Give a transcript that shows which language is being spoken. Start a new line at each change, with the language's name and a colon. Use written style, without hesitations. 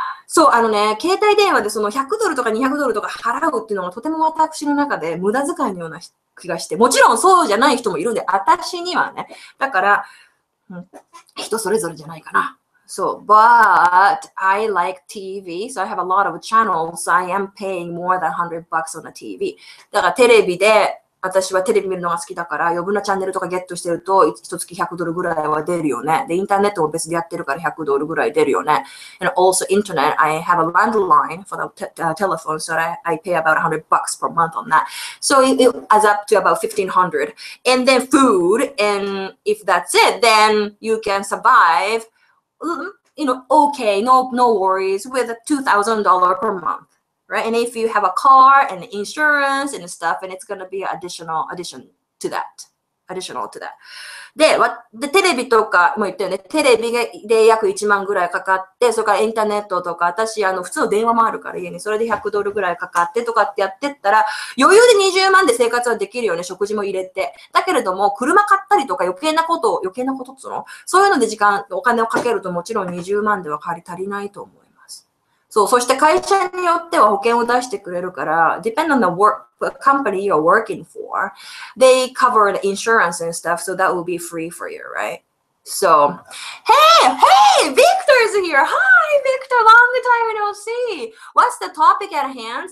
Japanese: そう、携帯電話でその100ドルとか200ドルとか払うっていうのがとても私の中で無駄遣いのような気がして、もちろんそうじゃない人もいるんで、私にはね。だから、人それぞれじゃないかな。
English: So, but I like TV, so I have a lot of channels, so I am paying more than 100 bucks on the TV.
Japanese: だからテレビで、私はテレビ見るのが好きだから、余分なチャンネルとかゲットしてると、1月100ドルぐらいは出るよね。で、インターネットも別でやってるから100ドルぐらい出るよね。
English: And also internet, I have a landline for the telephone, so I pay about 100 bucks per month on that. So it adds up to about 1500. And then food, and if that's it, then you can survive. You know, okay, no worries with $2,000 per month, right? And if you have a car and insurance and stuff, and it's going to be an additional to that.
Japanese: で、テレビとかも言ったよね。テレビで約1万ぐらいかかって、それからインターネットとか、私、普通の電話もあるから家にそれで100ドルぐらいかかってとかってやってったら、余裕で20万で生活はできるよね。食事も入れて。だけれども、車買ったりとか余計なことっつうの？そういうので時間、お金をかけるともちろん20万では足りないと思います。そう、そして会社によっては保険を出してくれるから、
English: depend on the work. A company you're working for, they cover the insurance and stuff, so that will be free for you, right? So, hey, Victor's here. Hi, Victor, long time no see. What's the topic at hand?